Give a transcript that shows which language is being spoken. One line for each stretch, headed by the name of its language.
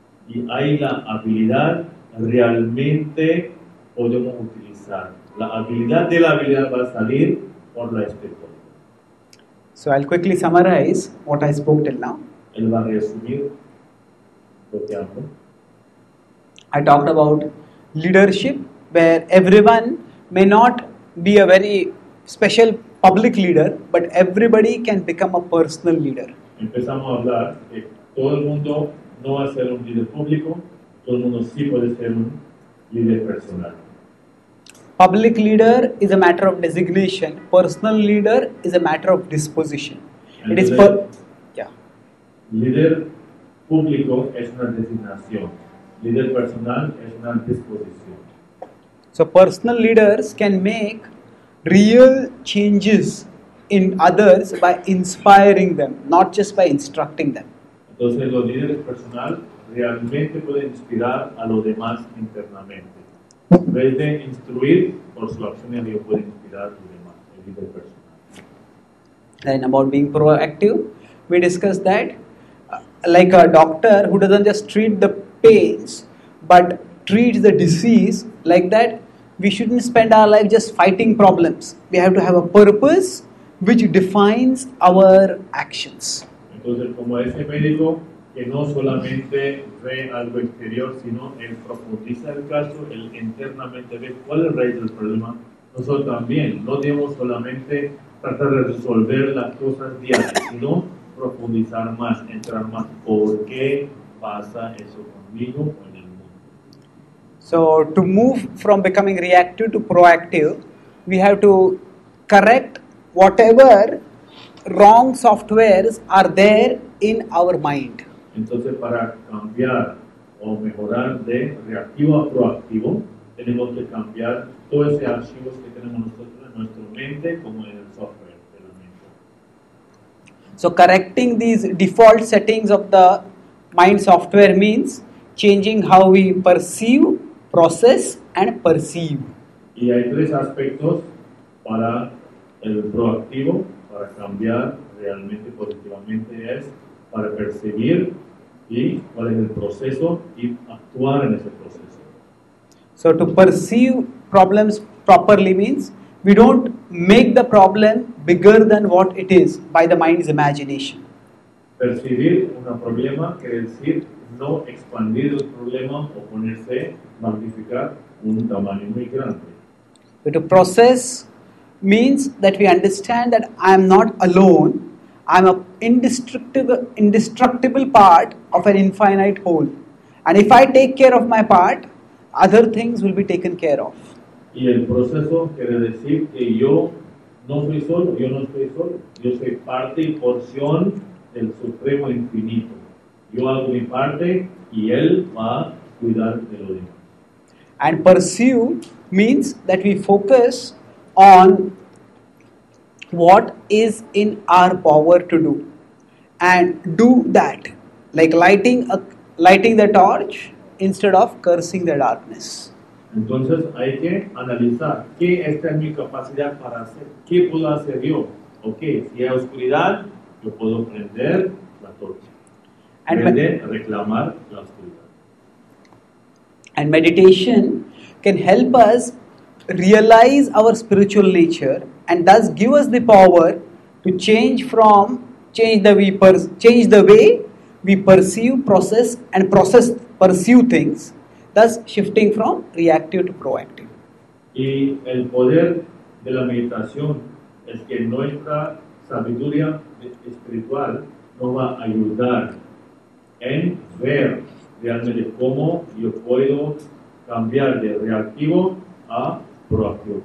Spanish: Y ahí la habilidad realmente podemos utilizar. La habilidad de la habilidad va a salir por la espiritualidad.
English: So I'll quickly summarize what I spoke till now.
Spanish: Él va a resumir lo que hablo.
English: I talked about leadership, where everyone may not be a very special public leader, but everybody can become a personal leader.
Spanish: Empezamos a hablar que todo el mundo no va a ser un líder público, todo el mundo sí puede ser un líder personal.
English: Public leader is a matter of designation. Personal leader is a matter of disposition. And it is
Spanish: per. Yeah. Líder público es una designación. Líder personal es una disposición.
English: So personal leaders can make real changes in others by inspiring them, not just by instructing them.
Spanish: Entonces los líderes personales realmente pueden inspirar a los demás internamente. En vez de instruir por su acción, ellos pueden inspirar a los demás, el líder personal.
English: And about being proactive, we discussed that like a doctor who doesn't just treat the pains but treats the disease, like that we shouldn't spend our life just fighting problems. We have to have a purpose which defines our actions.
Spanish: Entonces, como ese médico que no solamente ve algo exterior, sino él profundiza el caso, él internamente ve cuál es la raíz del problema. Nosotros también no debemos solamente tratar de resolver las cosas diarias, sino profundizar más, entrar más. ¿Por qué pasa eso conmigo o en el mundo?
English: So, to move from becoming reactive to proactive, we have to correct whatever wrong softwares are there in our mind.
Spanish: Entonces, para cambiar o mejorar de reactivo a proactivo, tenemos que cambiar todos esos archivos que tenemos nosotros en nuestra mente como en el software de la mente.
English: So, correcting these default settings of the mind software means changing how we perceive, process and perceive.
Spanish: Y hay tres aspectos para el proactivo, para cambiar realmente positivamente, es para percibir y cuál es el proceso y actuar en ese proceso.
English: So to perceive problems properly means we don't make the problem bigger than what it is by the mind's imagination.
Spanish: Percibir un problema quiere decir no expandir el problema o ponerse magnificar un tamaño muy grande.
English: So to process means that we understand that I am not alone. I am an indestructible part of an infinite whole. And if I take care of my part, other things will be taken care of.
Spanish: Y el proceso quiere decir que yo no soy solo, yo no soy solo. Yo soy parte y porción del supremo infinito. Yo hago mi parte y él va a cuidar de lo demás.
English: And pursue means that we focus on what is in our power to do and do that, like lighting the torch instead of cursing the darkness.
Spanish: Entonces hay que analizar qué está en mi capacidad para hacer, qué puedo hacer yo. Okay, si hay oscuridad, yo puedo prender la torcha, reclamar la oscuridad.
English: And meditation can help us realize our spiritual nature and thus give us the power to change the way we perceive, process, and pursue things, thus shifting from reactive to proactive.
Spanish: Y el poder de la meditación es que nuestra sabiduría espiritual nos va a ayudar en ver realmente cómo yo puedo cambiar de reactivo a proactivo.